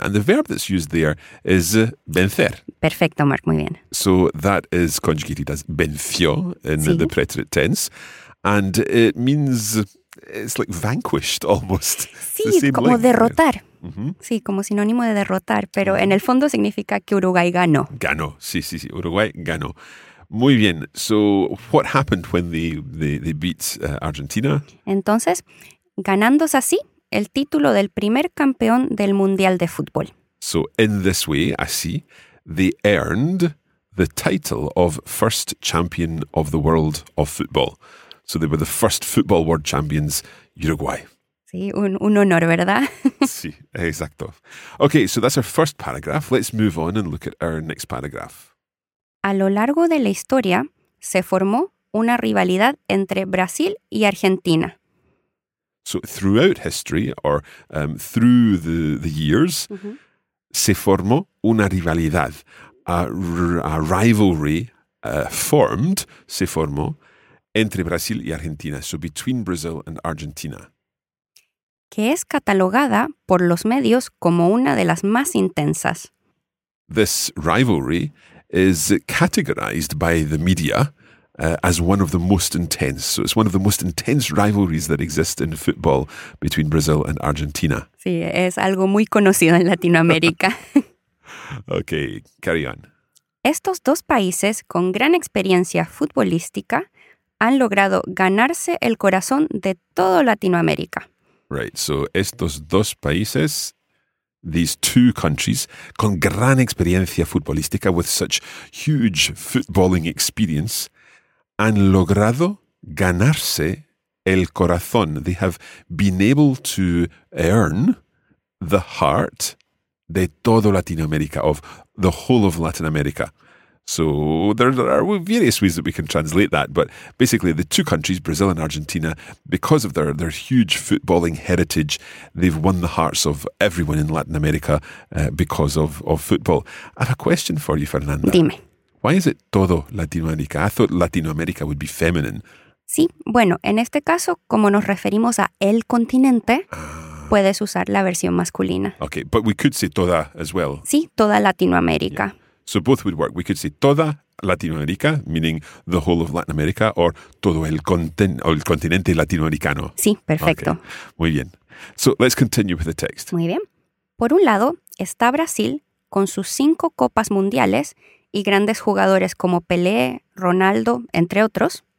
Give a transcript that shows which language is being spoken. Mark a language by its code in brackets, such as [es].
[en] And the verb that's used there is vencer. [es] Perfecto, Mark. Muy bien. [en] So that is conjugated as venció in [es] sí. [en] the preterite tense. And it means, it's like vanquished, almost. [es] Sí, es como link. Derrotar. Mm-hmm. Sí, como sinónimo de derrotar, pero en el fondo significa que Uruguay ganó. Ganó, sí, sí, sí, Uruguay ganó. Muy bien, [en] so what happened when they beat Argentina? [es] Entonces, ganándose así el título del primer campeón del Mundial de Fútbol. [en] So in this way, [es] así, [en] they earned the title of first champion of the world of football. So they were the first football world champions, Uruguay. [es] Sí, un honor, ¿verdad? Sí, exacto. [en] Okay, so that's our first paragraph. Let's move on and look at our next paragraph. [es] A lo largo de la historia, se formó una rivalidad entre Brasil y Argentina. [en] So throughout history, or through the years, [es] se formó una rivalidad. [en] A rivalry formed, [es] se formó, entre Brasil y Argentina. [en] So between Brazil and Argentina. [es] Que es catalogada por los medios como una de las más intensas. [en] This rivalry is categorized by the media as one of the most intense. So it's one of the most intense rivalries that exist in football between Brazil and Argentina. [es] Sí, es algo muy conocido en Latinoamérica. [en] Okay, carry on. [es] Estos dos países con gran experiencia futbolística han logrado ganarse el corazón de todo Latinoamérica. [en] Right, so [es] estos dos países, [en] these two countries, [es] con gran experiencia futbolística, [en] with such huge footballing experience, [es] han logrado ganarse el corazón. [en] They have been able to earn the heart [es] de todo Latinoamérica, [en] of the whole of Latin America. So there are various ways that we can translate that, but basically the two countries, Brazil and Argentina, because of their huge footballing heritage, they've won the hearts of everyone in Latin America because of football. I have a question for you, Fernanda. [es] Dime. [en] Why is it [es] todo Latinoamérica? [en] I thought Latinoamérica would be feminine. [es] Sí, bueno, en este caso, como nos referimos a el continente, puedes usar la versión masculina. [en] Okay, but we could say [es] toda [en] as well. [es] Sí, toda Latinoamérica. [en] Yeah. So both would work. We could say [es] toda Latinoamérica, [en] meaning the whole of Latin America, or [es] todo el continente latinoamericano. Sí, perfecto. [en] Okay. [es] Muy bien. [en] So let's continue with the text. [es] Muy bien. Por un lado, está Brasil con sus 5 copas mundiales y grandes jugadores como Pelé, Ronaldo, entre otros.